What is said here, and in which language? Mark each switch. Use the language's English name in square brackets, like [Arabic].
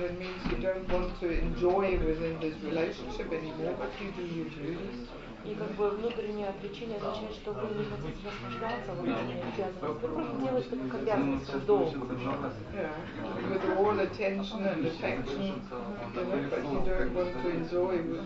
[English] It means you don't want to enjoy within this relationship anymore. But you do your duties. [Russian] И как бы внутренняя причина означает, что вы не хотите наслаждаться, вы просто делаете как обязанность, как долг. [English] With all attention and affection, but you don't want to enjoy